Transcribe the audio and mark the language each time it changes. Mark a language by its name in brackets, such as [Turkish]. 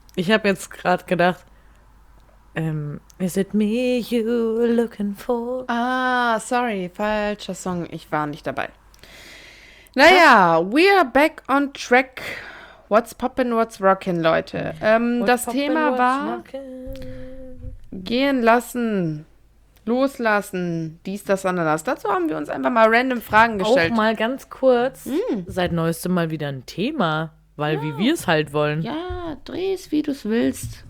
[German] Ich habe jetzt gerade gedacht, [English] is it me you looking for? [German] Ah, sorry, falscher Song, ich war nicht dabei. [English] Naja, we are back on track. What's poppin', what's rockin', Leute? [German] Das Thema war gehen lassen, loslassen, dies, das, anderes. Dazu haben wir uns einfach mal random Fragen gestellt. Auch mal ganz kurz, seit neuestem mal wieder ein Thema. Weil, wie wir es halt wollen. Ja, dreh es, wie du es willst.